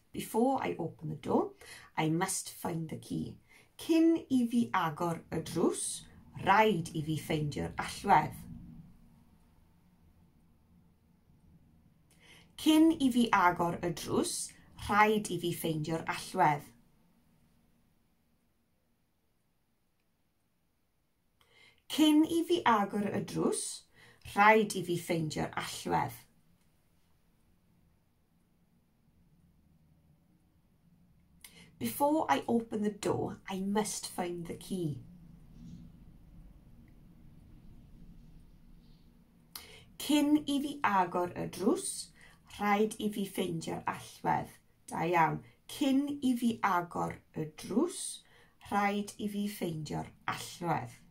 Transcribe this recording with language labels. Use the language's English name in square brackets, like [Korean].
[English] Before I open the door, I must find the key. [Welsh] Cyn i fi agor y drws, rhaid i fi ffeindio'r allwedd. Cyn i fi agor y drws, rhaid i fi ffeindio'r allwedd. Cyn i fi agor y drws, Rhaid i fi ffeindio'r allwedd. [English] Before I open the door, I must find the key. [Welsh] Cyn i fi agor y drws, rhaid i fi ffeindio'r allwedd. Da iawn. Cyn i fi agor y drws, rhaid i fi ffeindio'r allwedd.